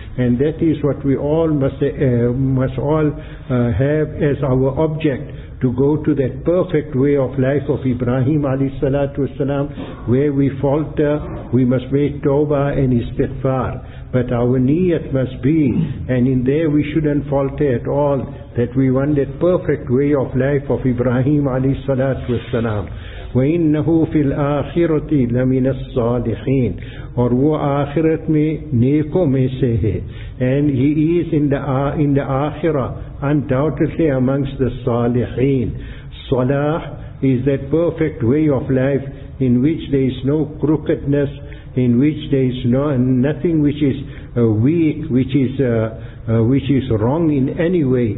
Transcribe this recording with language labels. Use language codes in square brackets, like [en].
[en] And that is what we all must have as our object, to go to that perfect way of life of Ibrahim alayhi salatu wasalam, where we falter, we must make tawbah and istighfar. But our niyat must be, and in there we shouldn't falter at all, that we want that perfect way of life of Ibrahim alayhi salatu wasalam. [ar] وَإِنَّهُ فِي الْآخِرَةِ لَمِنَ الصَّالِحِينَ, [ur] اور وہ آخرت میں نیکوں میں سے ہے. [en] And he is in the آخرہ, undoubtedly amongst the صالحین. صلاح is that perfect way of life in which there is no crookedness, in which there is nothing which is weak, which is wrong in any way.